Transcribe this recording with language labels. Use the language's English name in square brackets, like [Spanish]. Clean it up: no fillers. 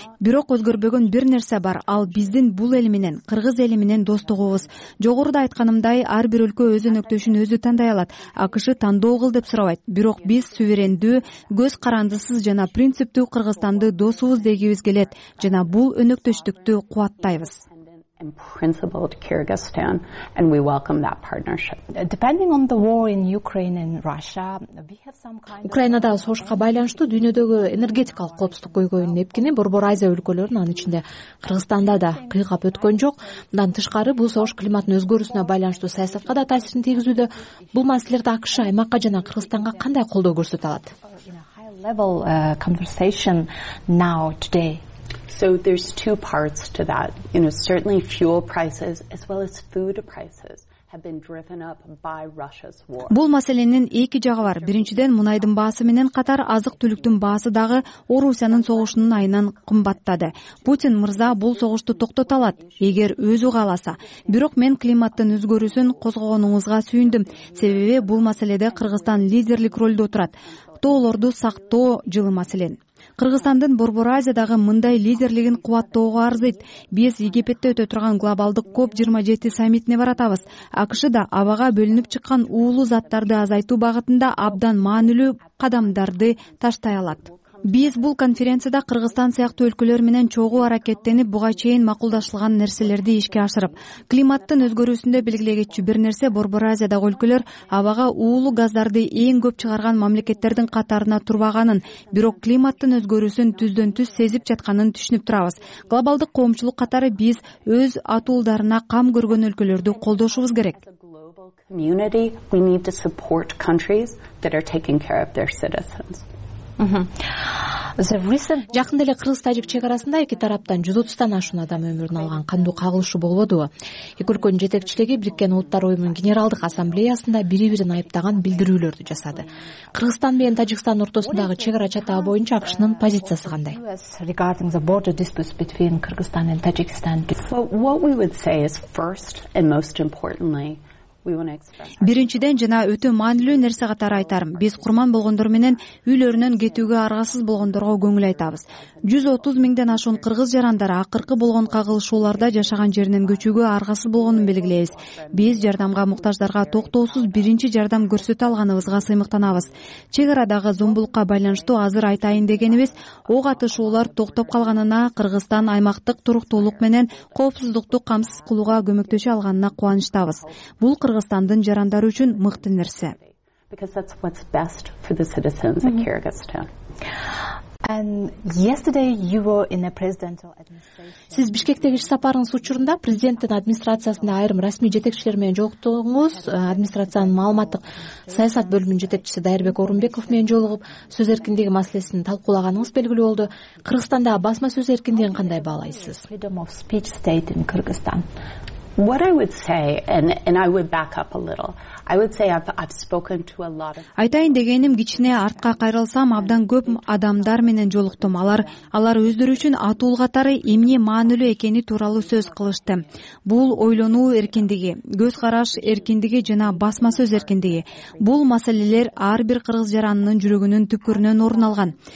[Kyrgyz] Бирок өзгөрбөгөн бир нерсе бар, ал биздин бул эл менен, кыргыз эли менен достугубуз. Жогоруда айтканымдай, ар бир өлкө өз өнөктөшүн өзү тандай алат. АКШ тандоо кыл деп сурабайт. Бирок биз суверендүү, көз карандысыз жана принциптүү Кыргызстанды досубуз дегибиз келет жана бул өнөктөштүктү кубаттайбыз. [English] And principled Kyrgyzstan, and we welcome that partnership. Depending on the war in Ukraine and Russia, we have some kind of... [Kyrgyz] Украинадагы согушка байланыштуу дүйнөдөгү энергетикалык коопсуздук көйгөйүнүн эпкини Борбор Азия өлкөлөрүн, анын ичинде Кыргызстанда да кыйгап өткөн жок. Мындан тышкары, бул согуш климаттын өзгөрүүсүнө байланыштуу саясатка да таасирин тийгизүүдө. Бул маселелерде АКШ аймакка жана Кыргызстанга кандай колдоо көрсөтө алат? [English] Level conversation now today. So there's two parts to that. You know, certainly fuel prices as well as food prices have been driven up by Russia's war. [Kyrgyz] Бул маселенин эки жагы бар. Биринчиден, мунайдын баасы менен катар азык-түлүктүн баасы дагы Орусиянын согушунун айынан кымбаттады. Путин мырза бул согушту токтото алат, эгер өзү кааласа. Бирок мен климаттын өзгөрүүсүн козгогонуңузга сүйүндүм, себеби бул маселеде Кыргызстан лидерлик ролдо турат. Тоолорду сактоо жылы маселен. Кыргызстандын Борбор Азиядагы мындай лидерлигин кубаттоого арзыйт. Биз Египетте өтө турган глобалдык COP27 саммитине баратабыз. АКШ да абага бөлүнүп чыккан уулуу заттарды азайтуу багытында абдан маанилүү кадамдарды таштай алат. Биз бул конференцияда Кыргызстан сыяктуу өлкөлөр менен чогуу аракеттенип, буга чейин макулдашылган нерселерди ишке ашырып, климаттын өзгөрүүсүндө белгилей кетчү бир нерсе Борбор Азиядагы өлкөлөр абага уулуу газдарды эң көп чыгарган мамлекеттердин катарына турбаганын, бирок климаттын өзгөрүүсүн түздөн-түз сезип жатканын түшүнүп турабыз. Глобалдык коомчулук катары биз өз атуулдарына кам көргөн өлкөлөрдү колдошубуз керек. [English] Community, we need to support countries that are taking care of their citizens. [Kyrgyz] Жакында эле кыргыз тажик чек арасында эки тараптан 130 ашуун адам өмүрүн алган кандуу кагылышуу болбодубу? Эки өлкөнүн жетекчилиги Бириккен Улуттар Уюмунун Генералдык Ассамблеясында бири бирин айыптаган билдирүүлөрдү жасады. Кыргызстан менен Тажикстан ортосундагы чек ара чатагы боюнча АКШнын позициясы кандай? [English] Regarding the border disputes between Kyrgyzstan and Tajikistan. So what we would say is first and most importantly, [Kyrgyz] биринчиден жана өтө маанилүү нерсе катары айтарым, биз курман болгондор менен үйлөрүнөн кетүүгө аргасыз болгондорго көңүл айтабыз. 130 000 ашуун кыргыз жарандары акыркы болгон кагылышууларда жашаган жеринен көчүүгө аргасыз болгонун белгилейбиз. Биз жардамга муктаждарга токтоосуз биринчи жардам көрсөтө алганыбызга сыймыктанабыз. Чек арадагы зомбулукка байланыштуу азыр айтайын дегенибиз, ок атышуулар токтоп калганына, Кыргызстан аймактык туруктуулук менен коопсуздукту камсыз кылууга көмөктөшө алганына кубанычтабыз. Бул Кыргызстандын жарандары үчүн мыкты нерсе. [English] Because that's what's best for the citizens of Kyrgyzstan. And yesterday you were in a presidential administration. [Kyrgyz] Сиз Бишкектеги иш сапарыңыз учурунда президенттин администрациясында айрым расмий жетекчилер менен жолуктуңуз. Администрациянын маалыматтык саясат бөлүмүнүн жетекчиси Дайырбек Орунбеков менен жолугуп, сөз эркиндиги маселесин талкуулаганыңыз белгилүү болду. Кыргызстанда басма сөз эркиндигин кандай баалайсыз? [English] Freedom of speech state in Kyrgyzstan. What I would say, and I would back up a little. I would say I've spoken to a lot of. [Kyrgyz] Айтайын дегеним, кичине артка кайрылсам, абдан көп адамдар менен жолуктум. Алар өздөрү үчүн атуул катары эмне маанилүү экени тууралуу сөз кылышты. Бул ойлонуу эркиндиги, көз караш эркиндиги жана басма сөз эркиндиги. Бул маселелер ар бир кыргыз жаранынын жүрөгүнүн түпкүрүнөн орун алган.